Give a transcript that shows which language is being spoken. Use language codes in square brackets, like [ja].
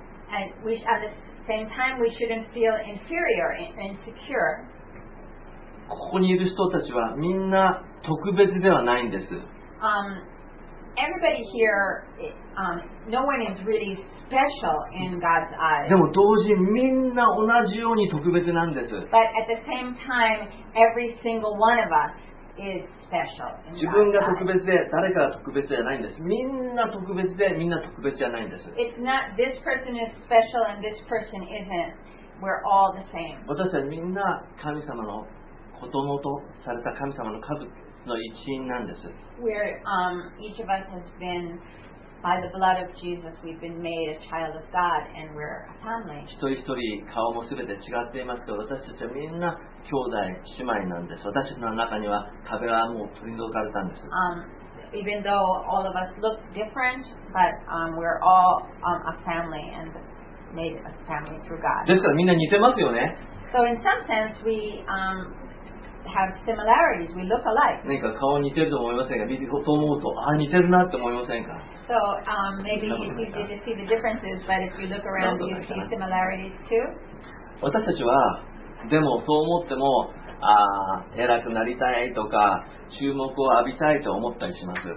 [en] At the same time, we shouldn't feel inferior, insecure. [ja] ここにいる人たちはみんな特別ではないんです。 [en] Everybody here, no one is really special in God's eyes. [ja] でも同時にみんな同じように特別なんです。 [en] But at the same time, every single one of us is special. [ja] 自分が特別で誰かが特別じゃないんです。みんな特別でみんな特別じゃないんです。 [en] It's not this person is special and this person isn't. We're all the same. [ja] 私たちはみんな神様の子供とされた神様の家族の一員なんです。 [en] Where, each of us has been, by the blood of Jesus, we've been made a child of God, and we're a family. [ja] 一人一人顔もすべて違っていますけど、私たちはみんな兄弟姉妹なんです。私たちの中には壁はもう取り除かれたんです。 [en] Even though all of us look different, but, we're all, a family and made a family through God. [ja] ですからみんな似てますよね。 [en] So in some sense, we, have similarities. We look alike. [ja] 何か顔似てると思いませんか？そう思うと、ああ似てるなって思いませんか？ [en] So, maybe it's easy to see the differences, but if you look around, you see similarities too. [ja] 私たちは、でもそう思っても、偉くなりたいとか、注目を浴びたいと思ったりします。